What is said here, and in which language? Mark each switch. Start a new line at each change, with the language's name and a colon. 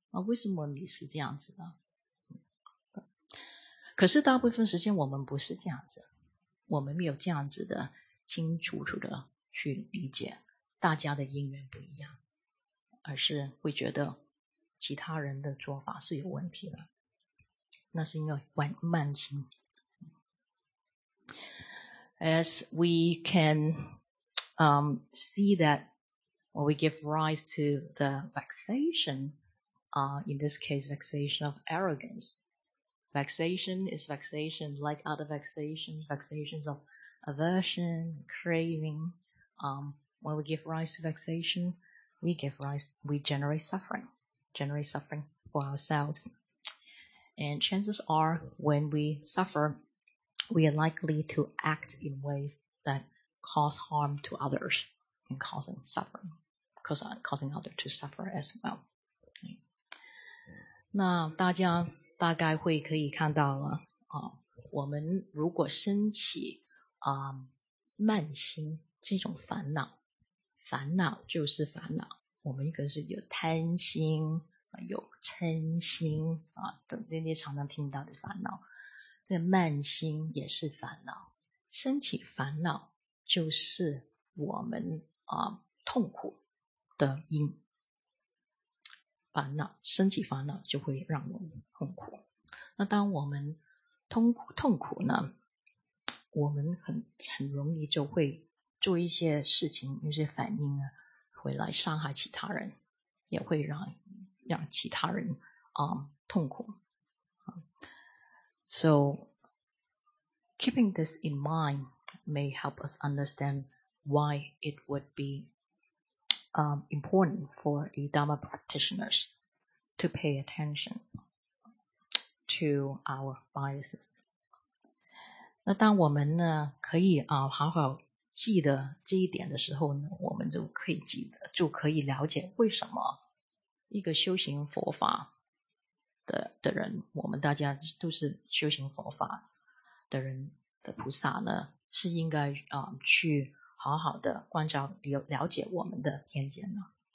Chinese: 为什么你是这样子的？可是大部分时间我们不是这样子，我们没有这样子的清楚楚的去理解大家的因缘不一样，而是会觉得其他人的做法是有问题的，那是因为慢心。
English: As we can see that when we give rise to the vexation, in this case, vexation of arrogance. Vexation is vexation like other vexations, vexations of aversion, craving. When we give rise to vexation, we generate suffering, for ourselves. And chances are when we suffer,we are likely to act in ways that cause harm to others and causing suffering, causing others to suffer as well. Okay.
Chinese: 那大家大概会可以看到了、我们如果升起、慢心这种烦恼，烦恼就是烦恼，我们可能是有贪心、有嗔心、等那些常常听到的烦恼，这慢心也是烦恼，升起烦恼就是我们、痛苦的因，烦恼升起烦恼就会让我们痛苦。那当我们痛苦呢，我们 很容易就会做一些事情，一些反应呢，会来伤害其他人，也会 让其他人、痛苦。
English: So, keeping this in mind may help us understand why it would be, important for the Dharma practitioners to pay attention to our biases.
Chinese: 那当我们呢可以、好好记得这一点的时候呢，我们就可以记得，就可以了解为什么一个修行佛法的人，我们大家都是修行佛法的人的菩萨呢，是应该、去好好的关照了解我们的偏见呢。